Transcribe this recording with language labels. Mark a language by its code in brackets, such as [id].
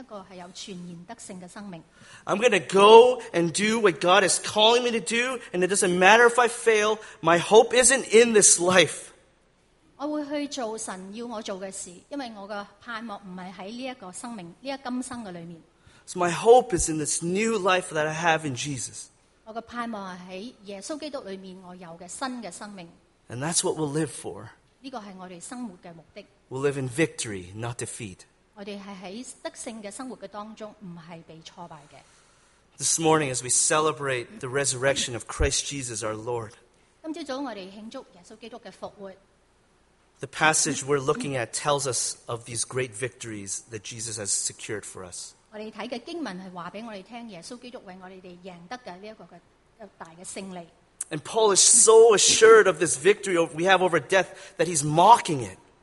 [zh] 一个是有极大盼望的生命，一个是有全然得胜的生命。 [en] I'm going to go and do what God is calling me to do, and it doesn't matter if I fail, my hope isn't in this life. [zh] 我会去做神要我做的事，因为我的盼望不是在这个生命，这个今生的里面。 [en] So my hope is in this new life that I have in Jesus. [zh] 我的盼望是在耶稣基督里面我有的新的生命。 [en] And that's what we'll live for. [zh] 这个是我们生活的目的。 [en] We'll live in victory, not defeat. [zh] 我们是在得胜的生活当中，不是被挫败的。 [en] This morning, as we celebrate the resurrection of Christ Jesus, our Lord, [zh] 今早我们庆祝耶稣基督的复活。 [en] The passage we're looking at tells us of these great victories that Jesus has secured for us. [zh] 我们看的经文是告诉我们，耶稣基督为我们赢得的这个大的胜利。 [en] And Paul is so assured of this victory we have over death that he's mocking it.